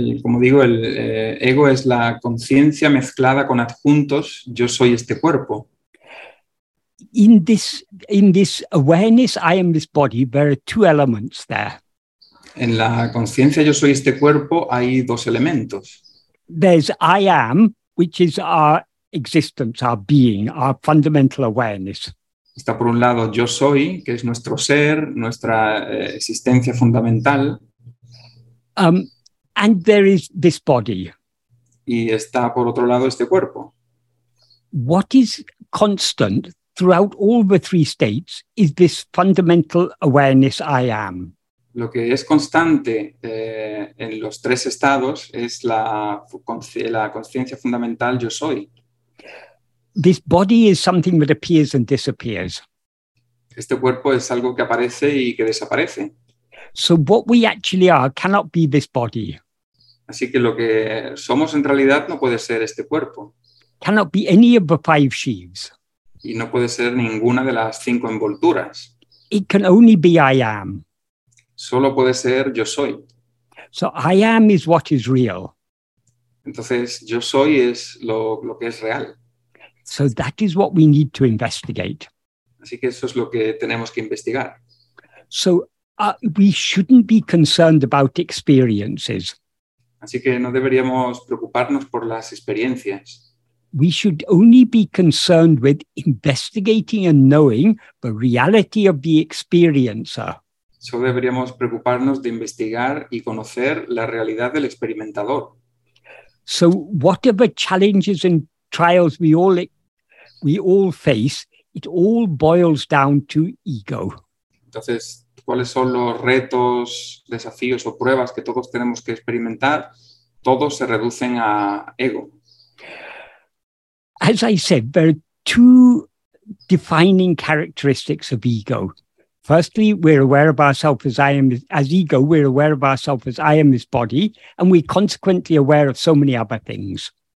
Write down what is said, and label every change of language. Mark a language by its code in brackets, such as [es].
[es] Como digo, el ego es la conciencia mezclada con adjuntos. Yo soy este cuerpo. [en] In this awareness, I am this body. There are two elements there. [es] En la conciencia yo soy este cuerpo hay dos elementos. [en] There's I am, which is our existence, our being, our fundamental awareness. [es] Está por un lado yo soy, que es nuestro ser, nuestra existencia fundamental. [en] And there is this body. [es] Y está por otro lado este cuerpo. [en] What is constant throughout all the three states is this fundamental awareness I am. [es] Lo que es constante en los tres estados es la conciencia fundamental yo soy. [en] This body is something that appears and disappears. [es] Este cuerpo es algo que aparece y que desaparece. [en] So what we actually are cannot be this body. [es] Así que lo que somos en realidad no puede ser este cuerpo. [en] Cannot be any of the five sheaves. [es] Y no puede ser ninguna de las cinco envolturas. [en] It can only be I am. [es] Solo puede ser yo soy. [en] So I am is what is real. [es] Entonces yo soy es lo que es real. [en] So that is what we need to investigate. [es] Así que eso es lo que tenemos que investigar. [en] So we shouldn't be concerned about experiences. [es] Así que no deberíamos preocuparnos por las experiencias. [en] We should only be concerned with investigating and knowing the reality of the experiencer. [es] Solo deberíamos preocuparnos de investigar y conocer la realidad del experimentador. [en] So whatever challenges and trials we all face, it all boils down to ego. [es] Entonces, ¿cuáles son los retos, desafíos o pruebas que todos tenemos que experimentar? Todos se reducen a ego. [en] As I said, there are two defining characteristics of ego. Firstly, we're aware of ourselves as I am, as ego, we're aware of ourselves as I am this body, and we're consequently aware of so many other things.